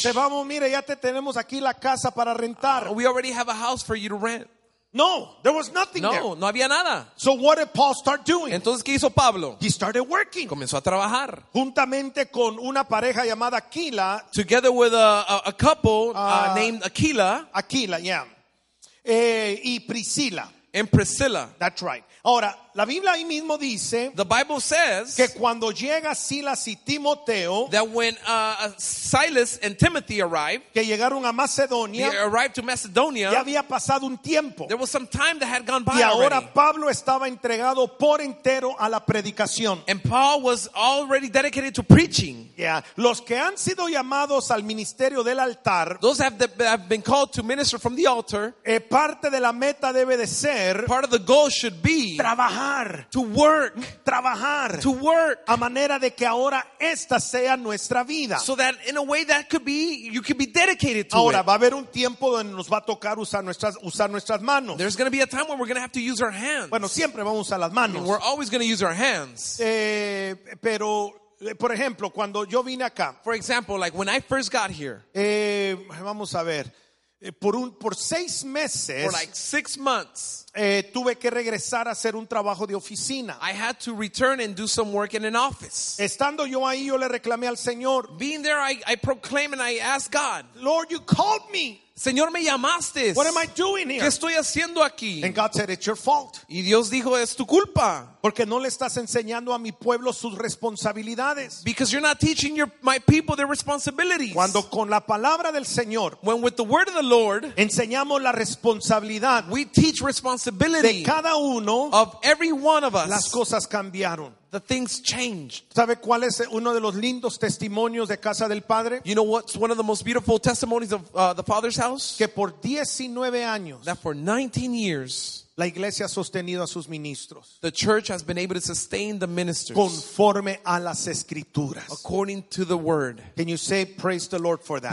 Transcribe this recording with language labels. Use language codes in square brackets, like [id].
[es] Te vamos, mire, ya te tenemos aquí la casa para rentar. [en] We already have a house for you to rent. No, there was nothing no, there. [es] No, no había nada. [en] So what did Paul start doing? [es] Entonces, ¿qué hizo Pablo? [en] He started working. [es] Comenzó a trabajar. Juntamente con una pareja llamada Aquila. [en] Together with a couple named Aquila. [es] Aquila, yeah. Y Priscila. [en] And Priscilla. That's right. [es] Ahora, la Biblia ahí mismo dice, [en] the Bible says, [es] que cuando llega Silas y Timoteo, [en] that when Silas and Timothy arrived, [es] que llegaron a Macedonia, [en] they arrived to Macedonia, [es] ya había pasado un tiempo, [en] there was some time that had gone by [es] y ahora [en] already. [es] Pablo estaba entregado por entero a la predicación. [en] And Paul was already dedicated to preaching. Yeah. [es] Los que han sido llamados al ministerio del altar, [en] those have been called to minister from the altar, [es] parte de la meta debe de ser, [en] part of the goal should be, [es] trabajar, [en] to work, [es] trabajar, [en] to work, [es] a manera de que ahora esta sea nuestra vida, [en] so that in a way that could be, you could be dedicated to [es] ahora, Ahora va a haber un tiempo donde nos va a tocar usar nuestras manos. [en] There's going to be a time when we're going to have to use our hands. [es] Bueno, siempre vamos a usar las manos. [en] And we're always going to use our hands. [es] Pero por ejemplo, cuando yo vine acá, [en] for example, like when I first got here, [es] vamos a ver, por 6 meses, [en] for like 6 months, [es] Tuve que regresar a hacer un trabajo de oficina. [en] I had to return and do some work in an office. [es] Estando yo ahí, yo le reclamé al Señor. [en] Being there, I proclaimed and I asked God, Lord, you called me. [es] Señor, me llamaste. [en] What am I doing here? [es] ¿Qué estoy haciendo aquí? [en] And God said, it's your fault. [es] Y Dios dijo, es tu culpa. Porque no le estás enseñando a mi pueblo sus responsabilidades. [en] Because you're not teaching my people their responsibilities. [es] Cuando con la palabra del Señor, [en] when with the word of the Lord, [es] enseñamos la responsabilidad, [en] we teach responsibility, [es] de cada uno, [en] of every one of us, [es] las cosas cambiaron. [en] The things changed. [es] ¿Sabe cuál es uno de los lindos testimonios de casa del padre? [en] You know what's one of the most beautiful testimonies of the father's house? [es] Que por 19 años, [en] that for 19 years, [es] la iglesia ha sostenido a sus ministros. [en] The church has been able to sustain the ministers. [es] Conforme a las escrituras. [en] According to the word. Can you say praise the Lord for that?